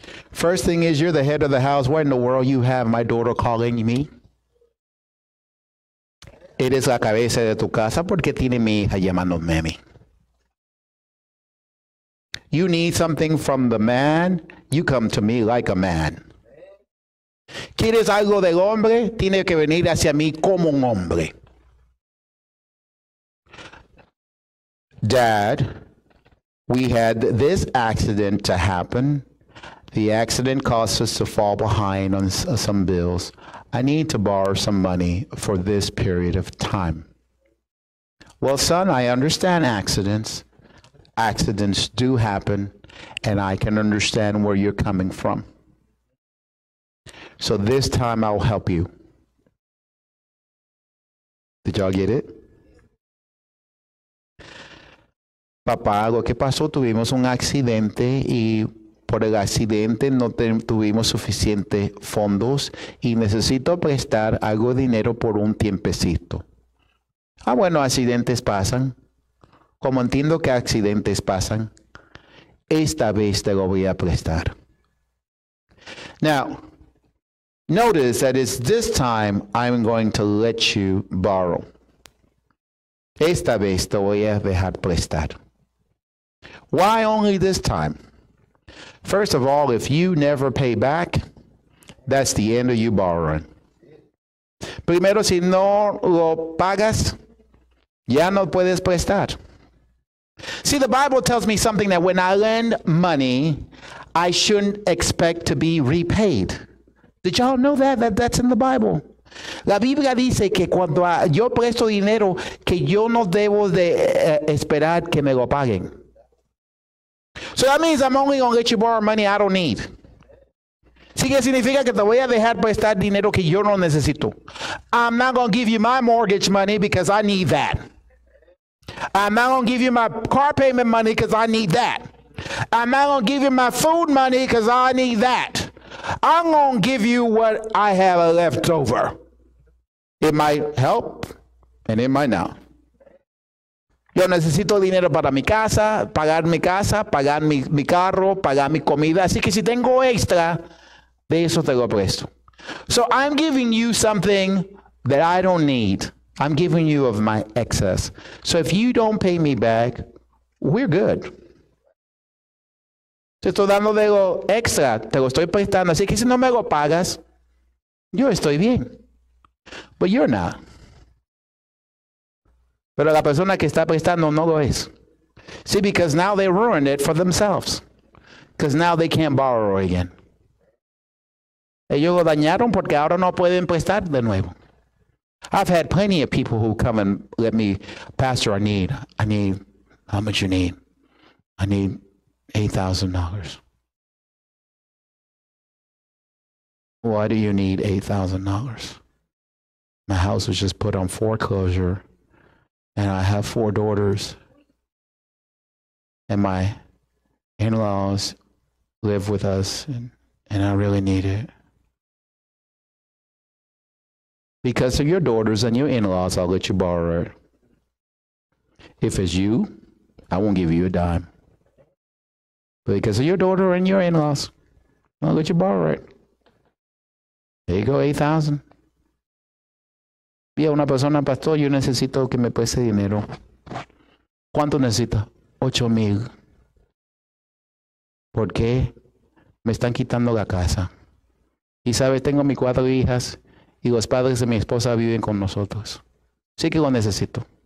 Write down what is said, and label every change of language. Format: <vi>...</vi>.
<en>First thing is, you're the head of the house. Where in the world you have my daughter calling me?</en> <es>Eres la cabeza de tu casa porque tiene mi hija llamándome a mí.</es> <en>You need something from the man, you come to me like a man.</en> <es>¿Quieres algo del hombre? Tiene que venir hacia mí como un hombre.</es> <en>Dad, we had this accident to happen. The accident caused us to fall behind on some bills. I need to borrow some money for this period of time. Well, son, I understand accidents. Accidents do happen, and I can understand where you're coming from. So this time I'll help you. Did y'all get it?</en> <es>Papá, lo que pasó, tuvimos un accidente y por el accidente no tuvimos suficiente fondos y necesito prestar algo de dinero por un tiempecito. Ah, bueno, accidentes pasan. Como entiendo que accidentes pasan, esta vez te lo voy a prestar.</es> <en>Now, notice that it's this time I'm going to let you borrow.</en> <es>Esta vez te voy a dejar prestar.</es> <en>Why only this time? First of all, if you never pay back, that's the end of you borrowing.</en> <es>Primero, si no lo pagas, ya no puedes prestar.</es> <en>See, the Bible tells me something that when I lend money, I shouldn't expect to be repaid. Did y'all know that? That's in the Bible.</en> <es>La Biblia dice que cuando yo presto dinero, que yo no debo de esperar que me lo paguen.</es> <en>So that means I'm only going to let you borrow money I don't need.</en> <es>Así que significa que te voy a dejar prestar dinero que yo no necesito.</es> <en>I'm not going to give you my mortgage money because I need that. I'm not going to give you my car payment money because I need that. I'm not going to give you my food money because I need that. I'm going to give you what I have left over. It might help, and it might not.</en> <es>Yo necesito dinero para mi casa, pagar mi casa, pagar mi carro, pagar mi comida. Así que si tengo extra, de eso te lo presto.</es> <en>So I'm giving you something that I don't need. I'm giving you of my excess. So if you don't pay me back, we're good.</en> <es>Te estoy dando de lo extra, te lo estoy prestando. Así que si no me lo pagas, yo estoy bien.</es> <en>But you're not.</en> <es>Pero la persona que está prestando no lo es.</es> <en>See, because now they ruined it for themselves. Because now they can't borrow again.</en> <es>Ellos lo dañaron porque ahora no pueden prestar de nuevo.</es> <en>I've had plenty of people who come and let me, Pastor, I need, how much you need? I need $8,000. Why do you need $8,000? My house was just put on foreclosure, and I have four daughters, and my in-laws live with us, and I really need it. Because of your daughters and your in-laws, I'll let you borrow it. If it's you, I won't give you a dime. Because of your daughter and your in-laws, I'll let you borrow it. There you go, $8,000.</en> <es>Vía una persona, pastor, yo necesito que me preste dinero. ¿Cuánto necesita? $8,000. ¿Por qué? Me están quitando la casa. Y sabe, tengo mis cuatro hijas y los padres de mi esposa viven con nosotros. Sí que lo necesito.</es>